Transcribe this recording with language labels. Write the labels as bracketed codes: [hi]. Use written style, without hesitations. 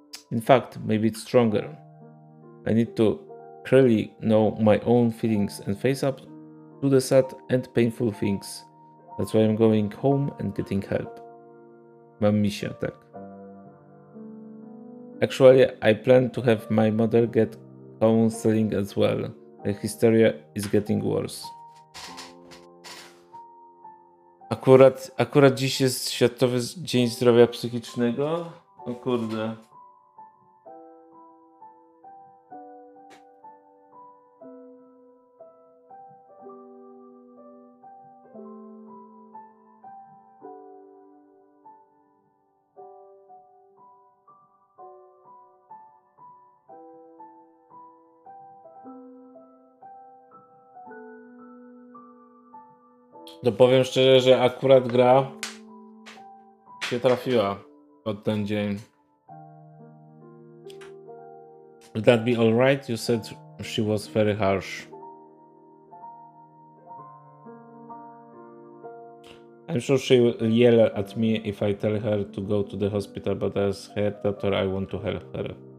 [en] In fact, maybe it's stronger. I need to clearly know my own feelings and face up to the sad and painful things. That's why I'm going home and getting help. [pl] Mam misję, tak. [en] Actually, I plan to have my mother get counseling as well. The hysteria is getting worse. [pl] Akurat dziś jest Światowy Dzień Zdrowia Psychicznego. O kurde. To powiem szczerze, że akurat gra się trafiła pod ten dzień. [en] Would that be alright? You said she was very harsh. I'm sure she will yell at me if I tell her to go to the hospital, but as her daughter I want to help her.